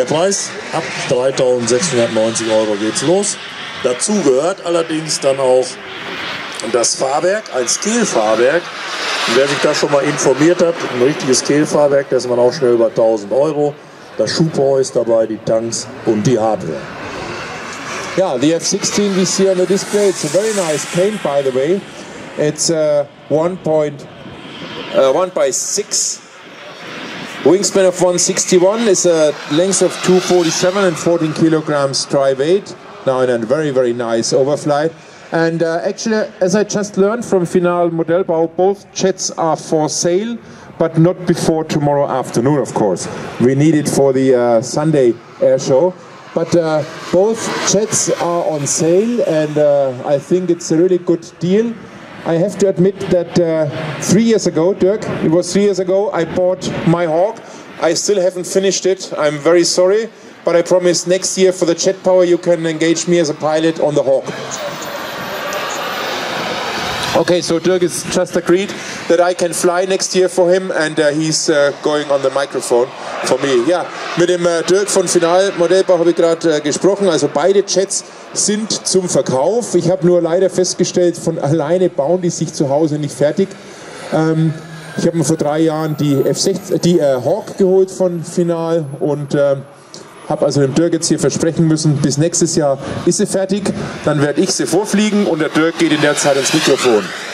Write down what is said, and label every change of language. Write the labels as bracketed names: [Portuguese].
[German] Der Preis ab 3.690 Euro geht's los. Dazu gehört allerdings dann auch das Fahrwerk, ein Scale-Fahrwerk. Wer sich da schon mal informiert hat, ein richtiges Scale-Fahrwerk, das ist man auch schnell über 1.000 Euro. Das Schubrohr ist dabei, die Tanks und die Hardware. [English] Yeah, the F-16 we see on the display, it's a very nice paint, by the way. It's 1 by 6. Wingspan of 161, is a length of 247 and 14 kilograms dry weight. Now in a very, very nice overflight. And actually, as I just learned from Final Modellbau, both jets are for sale, but not before tomorrow afternoon, of course. We need it for the Sunday air show. But both jets are on sale, and I think it's a really good deal. I have to admit that 3 years ago, Dirk, it was 3 years ago, I bought my Hawk. I still haven't finished it. I'm very sorry. But I promise next year for the Jet Power, you can engage me as a pilot on the Hawk. Okay, so Dirk has just agreed that I can fly next year for him, and he's going on the microphone for me. [German] Ja, mit dem Dirk von Final Modellbau habe ich gerade gesprochen. Also beide Jets sind zum Verkauf. Ich habe nur leider festgestellt, von alleine bauen die sich zu Hause nicht fertig. Ich habe mir vor 3 Jahren die Hawk geholt von Final, und habe also dem Dirk jetzt hier versprechen müssen, bis nächstes Jahr ist sie fertig, dann werde ich sie vorfliegen, und der Dirk geht in der Zeit ins Mikrofon.